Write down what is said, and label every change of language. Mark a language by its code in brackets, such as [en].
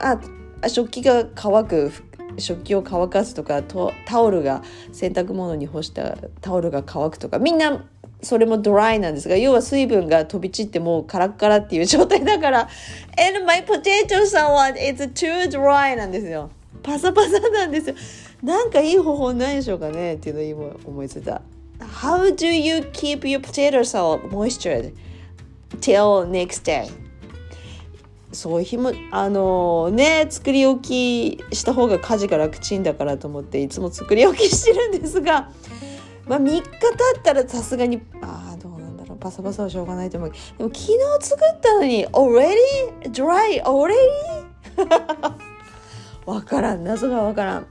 [ja] あ、食器が乾く、食器を乾かすとか、タオルが、洗濯物に干したタオルが乾くとか、みんなそれもドライなんですが、要は水分が飛び散ってもうカラッカラっていう状態だから、 [en] And my potato salad is too dry [ja] なんですよ。パサパサなんですよ。なんかいい方法ないでしょうかねっていうのを今思いついた。 [en] How do you keep your potato salad moistured till next day? [ja] そう、日もね、作り置きした方が家事が楽ちんだからと思っていつも作り置きしてるんですが、まあ、3日経ったらさすがにどうなんだろう、パサパサはしょうがないと思う。でも昨日作ったのに [en] already dry already [ja] わからん、謎がわからん。